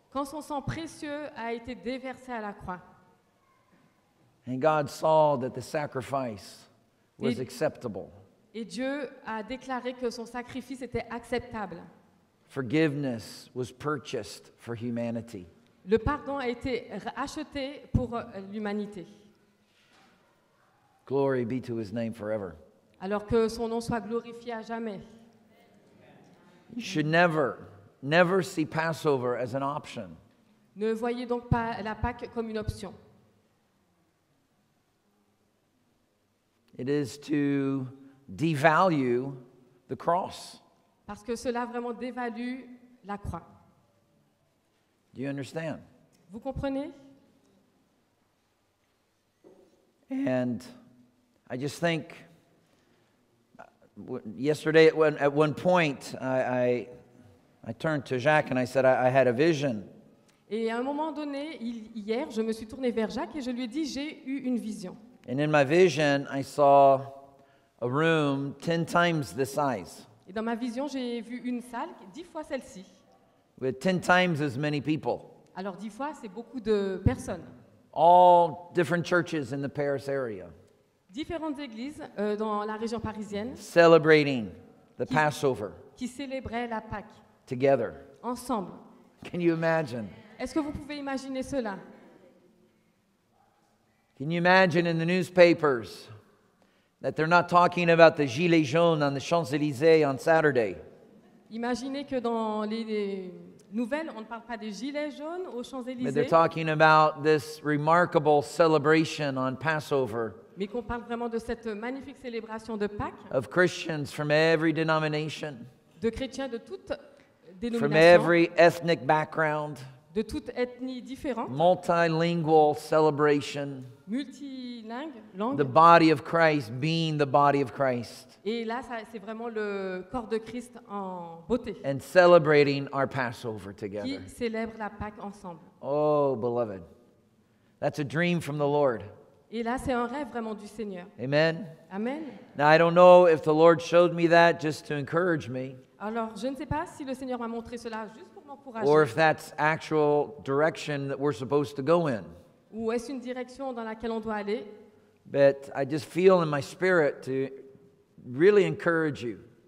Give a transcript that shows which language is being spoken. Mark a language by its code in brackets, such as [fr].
[fr] Quand son sang précieux a été déversé à la croix. [en] And God saw that the sacrifice was acceptable. [fr] Et Dieu a déclaré que son sacrifice était acceptable. [en] Forgiveness was purchased for humanity. [fr] Le pardon a été acheté pour l'humanité. [en] Glory be to his name forever. [fr] Alors que son nom soit glorifié à jamais. [en] You should never, never see Passover as an option. [fr] Ne voyez donc pas la Pâque comme une option. [en] It is to devalue the cross. [fr] Parce que cela vraiment dévalue la croix. [en] Do you understand? [fr] Vous comprenez? [en] And I just think, yesterday at one point, I turned to Jacques and I said, I had a vision. [fr] Et à un moment donné, hier, je me suis tourné vers Jacques et je lui ai dit, j'ai eu une vision. [en] And in my vision, I saw a room 10 times the size. [fr] Et dans ma vision, j'ai vu une salle 10 fois celle-ci. [en] With 10 times as many people. [fr] Alors 10 fois, c'est beaucoup de personnes. [en] All different churches in the Paris area. [fr] Différentes églises dans la région parisienne. [en] Celebrating the Passover. [fr] Qui célébraient la Pâque. [en] Together. [fr] Ensemble. [en] Can you imagine? [fr] Est-ce que vous pouvez imaginer cela? [en] Can you imagine in the newspapers that they're not talking about the gilets jaunes on the Champs-Élysées on Saturday? [fr] Imaginez que dans les nouvelles, on ne parle pas des gilets jaunes aux Champs-Élysées. [en] But they're talking about this remarkable celebration on Passover. [fr] Mais qu'on parle vraiment de cette magnifique célébration de Pâques. [en] Of Christians from every denomination. [fr] De chrétiens de toutes dénominations. [en] From every ethnic background. [fr] De toute ethnie différente. [en] Multilingual celebration. [fr] Multilingue, langue. [en] The body of Christ being the body of Christ. [fr] Et là, ça, c'est vraiment le corps de Christ en beauté. [en] And celebrating our Passover together. [fr] Qui célèbre la Pâque ensemble. [en] Oh, beloved. That's a dream from the Lord. [fr] Et là, c'est un rêve vraiment du Seigneur. Amen. Amen. [en] Now, I don't know if the Lord showed me that just to encourage me. [fr] Alors, je ne sais pas si le Seigneur m'a montré cela juste pour m'encourager. [en] Or if that's actual direction that we're supposed to go in. [fr] Ou est-ce une direction dans laquelle on doit aller? [en] But I just feel in my spirit to really encourage you.